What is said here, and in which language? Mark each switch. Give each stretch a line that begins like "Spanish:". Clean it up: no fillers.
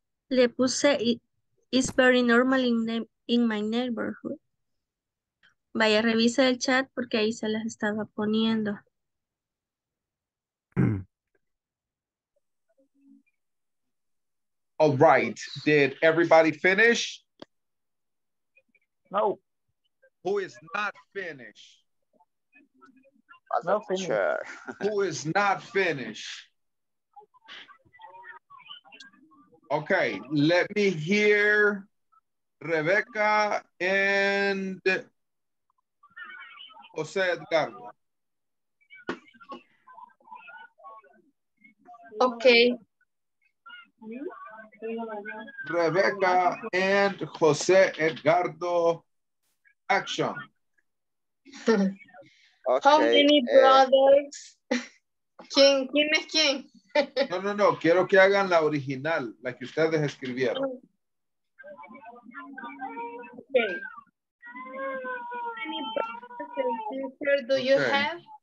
Spanish: Le puse,
English: it's very normal in my neighborhood.
Spanish: Vaya, revisa el chat porque ahí se las estaba poniendo.
English: All right. Did everybody finish? No. Who is not finished? No finished. Who is not finished? Okay, let me hear Rebecca and Jose Edgar. Okay. Rebecca and Jose Edgardo. Action. Okay. How many brothers?
Spanish: ¿Quién? ¿Quién es quién? No, no, no. Quiero que hagan la original, la que ustedes escribieron.
English: Okay. How many brothers and sisters do you have?